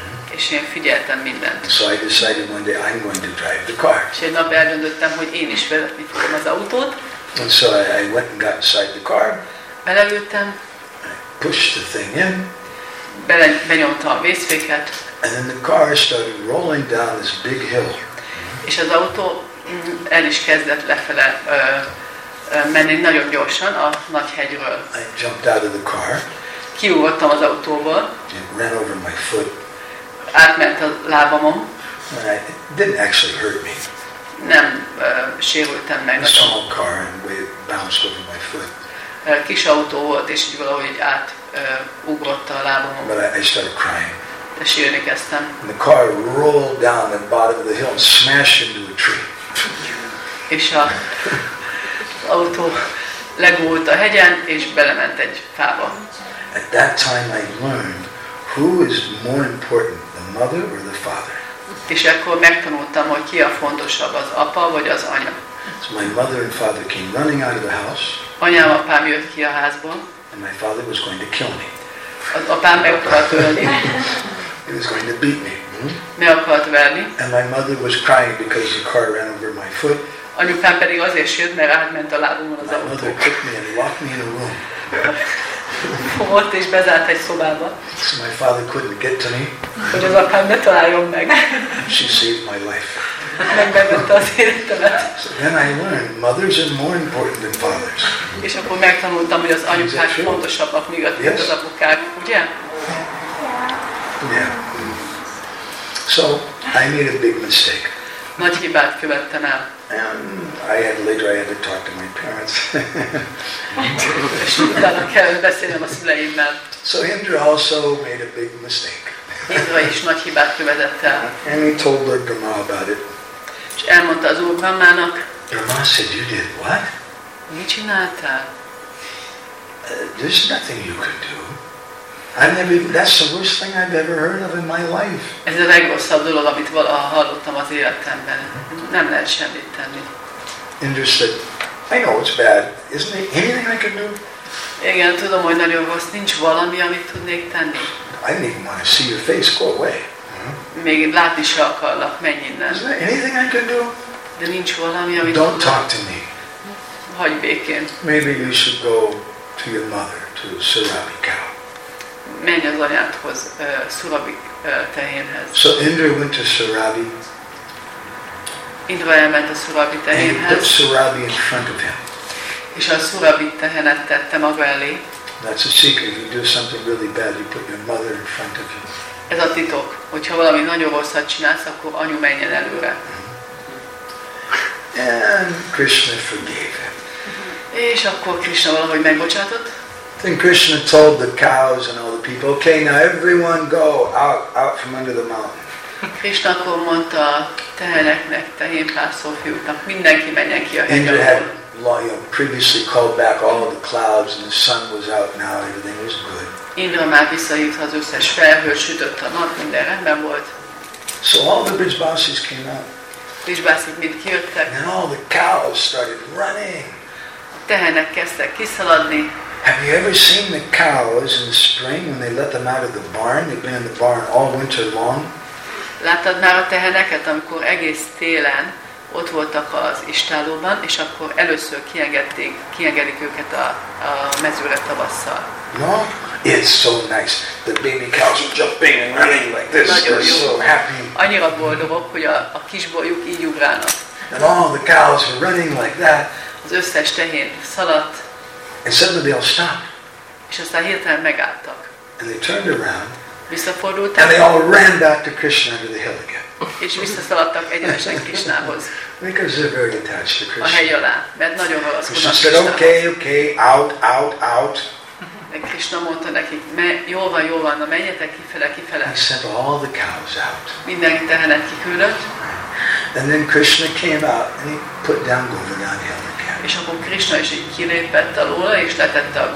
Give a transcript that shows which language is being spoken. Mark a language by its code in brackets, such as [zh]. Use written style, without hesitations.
[hu] És én figyeltem mindent. [en] So I decided one day I'm going to drive the car. [hu] És egy nap eldöntöttem, hogy én is vezetni fogom az autót. [en] And so I went and got inside the car. [hu] Beleültem. [en] I pushed the thing in. [hu] Benyomta a vészféket. [en] And then the car started rolling down this big hill. [hu] És az autó el is kezdett lefele menni nagyon gyorsan a nagy hegyről. [en] I jumped out of the car. [hu] Kiugrottam az autóból. [en] It ran over my foot. [hu] Átment a lábamon. [en] And it didn't actually hurt me. [hu] Nem sérültem meg. [en] A small car and it bounced over my foot. [hu] Kis autó volt és így valahogy át ugrott a lábamon. [en] But I started crying. [hu] De sírni kezdtem. [en] And the car rolled down the bottom of the hill and smashed into a tree. [hu] És az autó legúlt a hegyen és belement egy fába. [en] At that time I learned who is more important, the mother or the father. [hu] És akkor megtanultam, hogy ki a fontosabb, az apa vagy az anya. [en] So my mother and father came running out of the house. [hu] Anyám, apám jött ki a házból. [en] And my father was going to kill me. [hu] Az apám meg akart ölni. [en] He was going to beat me. [hu] Meg akart verni. [en] And my mother was crying because the car ran over my foot. [hu] Anyukám pedig azért sírt, mert átment a lábamon az autó. [en] My mother took me and locked me in a room. [hu] volt és bezárt egy szobába. [en] So my father couldn't get to me. [hu] Hogy az apám ne találjon meg. [en] She saved my life. [hu] Megmentette az életemet. [en] So then I learned mothers are more important than fathers. [hu] És akkor megtanultam, hogy az anyukák fontosabbak még a [en] yes. [hu] az apukák, ugye? [en] Yeah. Yeah. So I made a big mistake. [hu] Nagy hibát követtem el. [en] And I had later I had to talk to my parents. [hu] És utána kellett beszélnem a szüleimmel. [en] So Indra also made a big mistake. [hu] Indra is nagy hibát követett el. [en] And he told Lord Brahma about it. [hu] És elmondta az Úr Brahmának. [en] Brahma said, "You did what? [hu] Mit csináltál? [en] There's nothing you could do. I've never even, that's the worst thing I've ever heard of in my life." [hu] Ez a legrosszabb dolog, amit valaha hallottam az életemben. Nem lehet semmit tenni. [en] Indra said, "I know it's bad. Isn't there anything I can do?" [hu] Igen, tudom, hogy nagyon rossz. Nincs valami, amit tudnék tenni. [en] "I didn't even want to see your face. Go away." [hu] Még látni se akarlak. Menj innen. [en] "Isn't there anything I can do?" [hu] De nincs valami, amit [en] "Don't talk to me. [hu] Hagyj békén. [en] Maybe you should go to your mother, to Surabhi cow." [hu] Menj az anyádhoz, Surabhi tehénhez. [en] So Indra went to Surabhi. [hu] Indra elment a Surabhi tehénhez. [en] And he put Surabhi in front of him. [hu] És a Surabhi tehenet tette maga elé. [en] That's a secret. If you do something really bad, you put your mother in front of you. [hu] Ez a titok. Hogyha valami nagyon rosszat csinálsz, akkor anyu menjen előre. [en] And Krishna forgave him. [hu] És akkor Krishna valahogy megbocsátott. [en] Then Krishna told the cows and all the people, "Okay, now everyone go out from under the mountain." [hu] Krishna akkor mondta a teheneknek, tehénpásztor fiúknak, mindenki menjen ki a hegyen. [en] Indra had long, you know, previously called back all of the clouds and the sun was out now, everything was good. [hu] Indra már visszahívt az összes felhőt, sütött a nap, minden rendben volt. [en] So all the Brijbasis came out. [hu] Brijbasik mind kijöttek. [en] And all the cows started running. [hu] A tehenek kezdtek kiszaladni. [en] Have you ever seen the cows in the spring when they let them out of the barn? They've been in the barn all winter long. [hu] Láttad már a teheneket, amikor egész télen ott voltak az istállóban, és akkor először kiengedik őket a mezőre tavasszal. [en] No, it's so nice. The baby cows are jumping and running like this. [hu] Nagyon [en] they're [hu] jó. [en] So happy. [hu] Annyira boldogok, hogy a kisbolyuk így ugrálnak. [en] And all the cows are running like that. [hu] Az összes tehén szaladt. [en] And suddenly they all stopped. [hu] És aztán hirtelen megálltak. [en] And they turned around. [hu] Visszafordultak. [en] And they all ran back to Krishna under the hill again. [hu] És visszaszaladtak egyenesen Krishnához. [en] Because they're very attached to Krishna. [hu] A hely alá, mert nagyon ragaszkodnak Krishna. [en] Krishna said, okay, out. [hu] De Krishna mondta nekik, jól van, na menjetek kifele. [en] He sent all the cows out. [hu] Minden tehenet kiküldött. [en] And then Krishna came out and he put down Govardhan Hill. [hu] És akkor Krishna is így kilépett alóla, és letette a